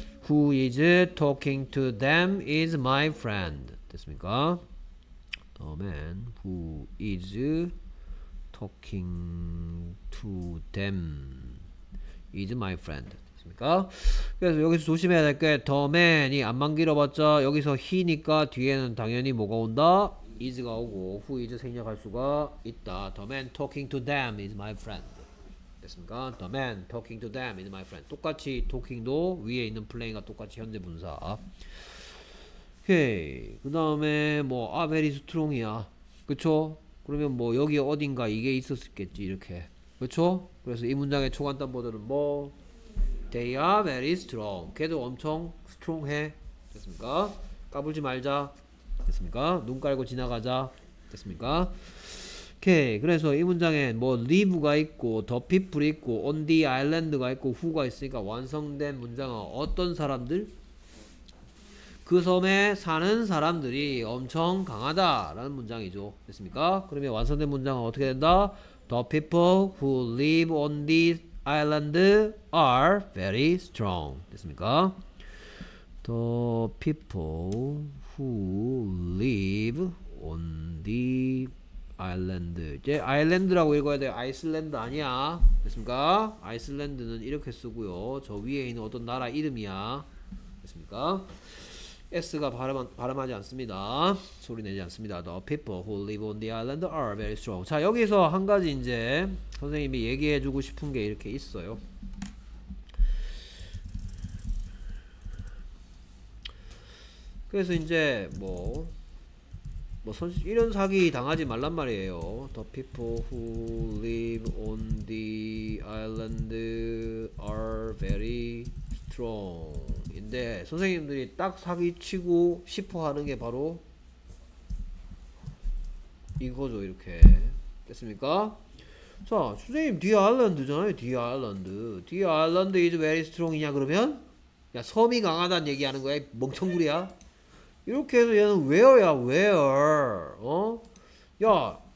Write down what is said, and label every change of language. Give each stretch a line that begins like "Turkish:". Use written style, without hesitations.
English: Who is talking to them is my friend.
Korean: 됐습니까?
English: The man who is talking to them is my friend.
Korean: 됐습니까? 그래서 여기서 조심해야 될게 The man이 안만 길어봤자 여기서 he니까 뒤에는 당연히 뭐가 온다? is가 오고 who is 생략할 수가 있다.
English: The man talking to them is my friend.
Korean: 됐습니까?
English: The man talking to them is my friend.
Korean: 똑같이 talking도 위에 있는 playing과 똑같이 현재 분사. 오케이. 그 다음에 뭐 아, very strong이야. 그쵸? 그러면 뭐 여기 어딘가 이게 있었겠지 이렇게. 그쵸? 그래서 이 문장의 초간단 버전은 뭐?
English: They are very strong.
Korean: 걔도 엄청 strong해. 됐습니까? 까불지 말자. 됐습니까? 눈 깔고 지나가자. 됐습니까? 오케이 그래서 이 문장엔 뭐 live가 있고 the people 있고 on the island가 있고 who가 있으니까 완성된 문장은 어떤 사람들? 그 섬에 사는 사람들이 엄청 강하다라는 문장이죠. 됐습니까? 그러면 완성된 문장은 어떻게 된다?
English: The people who live on the island are very strong.
Korean: 됐습니까?
English: The people who live on the island.
Korean: 이제 아일랜드라고 읽어야 돼요. 아이슬란드 아니야. 됐습니까? 아이슬란드는 이렇게 쓰고요. 저 위에 있는 어떤 나라 이름이야. 됐습니까? S가 발음하지 않습니다. 소리 내지 않습니다.
English: The people who live on the island are very strong.
Korean: 자, 여기서 한 가지 이제 선생님이 얘기해주고 싶은 게 이렇게 있어요. 그래서 이제 뭐 이런 사기 당하지 말란 말이에요.
English: The people who live on the island are very strong.
Korean: 인데 선생님들이 딱 사기치고 싶어 하는 게 바로 이거죠, 이렇게. 됐습니까? 자, 선생님 The Island잖아요, The Island.
English: The Island is very strong
Korean: 이냐 그러면? 야, 섬이 강하다는 얘기하는 거야, 멍청구리야. 이렇게 해서 얘는 where야, where. 어? 야,